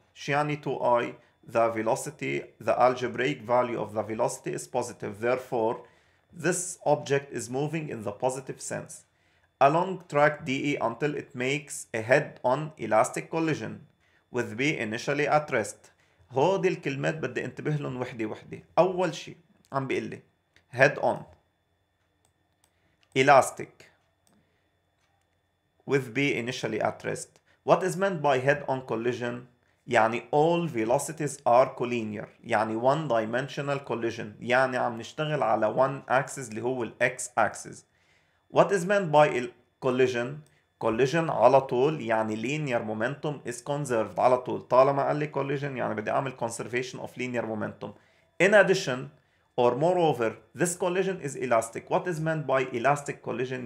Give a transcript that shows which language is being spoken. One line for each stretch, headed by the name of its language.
Arabic: شو يعني
English: 2i؟ The velocity, the algebraic value of the velocity is positive. Therefore this object is moving in the positive sense along track DE until it makes a head-on elastic collision with B initially at rest.
Arabic: هودي الكلمات بدي انتبه لهم وحدة وحدة. أول شيء عم بيقول لي
English: head-on elastic with B initially at rest. What is meant by head-on collision? يعني all velocities are collinear. يعني one-dimensional collision.
Arabic: يعني عم نشتغل على one axis اللي هو x-axis.
English: What is meant by collision? Collision
Arabic: على طول يعني
English: linear momentum is conserved على طول.
Arabic: طالما قال لي
English: collision
Arabic: يعني بدي أعمل
English: conservation of linear momentum. In addition, Or moreover, this collision is elastic. What is meant by elastic collision?